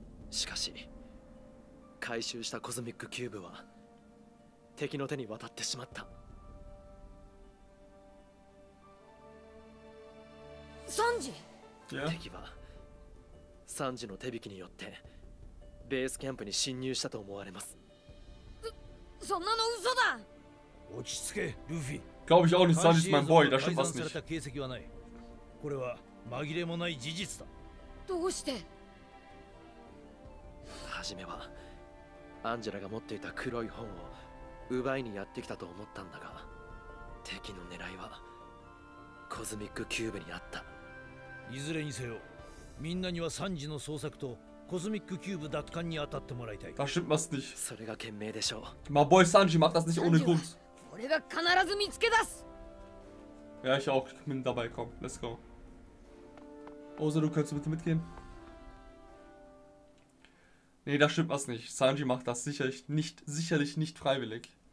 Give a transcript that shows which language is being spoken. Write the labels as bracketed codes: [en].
[ja] しかし、回収したコズミックキューブは敵の手に渡ってしまった。サンジ。敵はサンジの手引きによってベースキャンプに侵入したと思われます。そんなの嘘だ。落ち着け、ルフィ。 [de] Glaube ich auch nicht, Sanji ist mein Boy, das stimmt was nicht. [ja] これは紛れもない事実だ。どうして？初めはアンジェラが持っていた黒い本を奪いにやってきたと思ったんだが、敵の狙いはコズミックキューブにあった。いずれにせよ、みんなにはサンジの捜索とコズミックキューブ奪還に当たってもらいたい。 [de] Das stimmt was nicht. [ja] それが賢明でしょう。 [en] My boy [de] Sanji macht das nicht ohne Grund. [ja] 俺が必ず見つけ出す。 [de] Ja, ich auch. Ich bin dabei. Komm, [en] let's go. [de] Ozaru, könntest du bitte mitgehen? Nee, da stimmt was nicht. Sanji macht das sicherlich nicht freiwillig.